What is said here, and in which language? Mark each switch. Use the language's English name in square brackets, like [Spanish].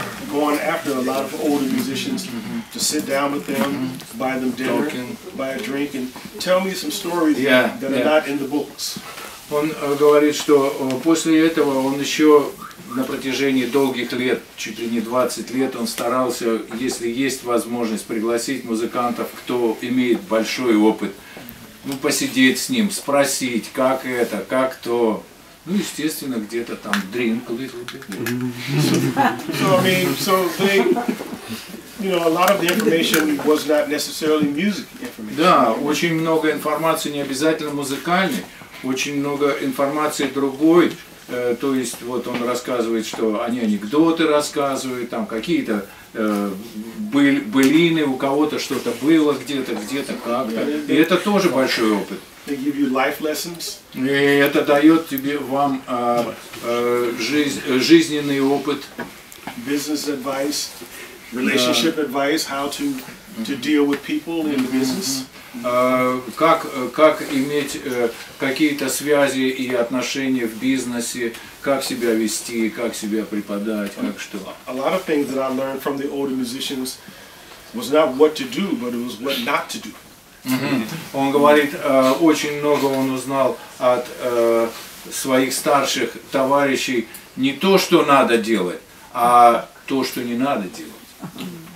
[English] Going after a lot of older musicians to sit down with them, buy them dinner, talking, buy a drink, and tell me some stories that are not in the books. [Russian] Он говорит, что после этого он еще на протяжении долгих лет, чуть ли не 20 лет, он старался, если есть возможность, пригласить музыкантов, кто имеет большой опыт, ну посидеть с ним, спросить, как это, как то. Ну, естественно, где-то там [English] drink a little bit. So I mean, so they, you know, a lot of the information was not necessarily music information. [Russian] Да, очень много информации не обязательно музыкальной, очень много информации другой. То есть вот он рассказывает, что они анекдоты рассказывают, там какие-то былины, у кого-то что-то было где-то как-то. И это тоже большой опыт. [English] They give you life lessons. [Russian] И это дает тебе вам жизненный опыт. [English] Business advice, relationship advice, how to deal with people in the business. [Russian] Как иметь какие-то связи и отношения в бизнесе, как себя вести, как себя преподать, как что. [English] A lot of things that I learned from the older musicians was not what to do, but it was what not to do. [Russian] Он говорит, очень много он узнал от своих старших товарищей не то, что надо делать, а то, что не надо делать.